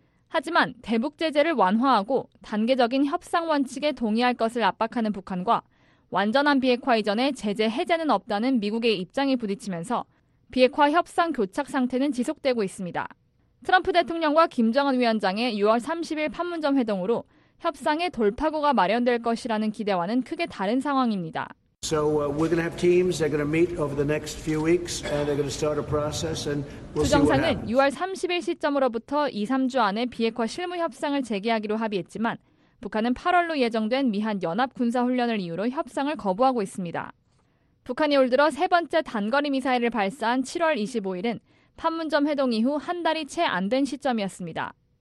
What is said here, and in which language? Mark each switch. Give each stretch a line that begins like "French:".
Korean: 하지만 대북 제재를 완화하고 단계적인 협상 원칙에 동의할 것을 압박하는 북한과 완전한 비핵화 이전에 제재 해제는 없다는 미국의 입장이 부딪히면서 비핵화 협상 교착 상태는 지속되고 있습니다. 트럼프 대통령과 김정은 위원장의 6월 30일 판문점 회동으로 협상의 돌파구가 마련될 것이라는 기대와는 크게 다른 상황입니다.
English: So we're going to have teams. They're going to meet over the next few weeks, and they're going to start a process, and we'll see what happens.
Korean: 정상은 6월 30일 시점으로부터 2-3주 안에 비핵화 실무 협상을 재개하기로 합의했지만, 북한은 8월로 예정된 미한 연합 군사 훈련을 이유로 협상을 거부하고 있습니다. 북한이 올 들어 세 번째 단거리 미사일을 발사한 7월 25일은 판문점 회동 이후 한 달이 채 안 된 시점이었습니다.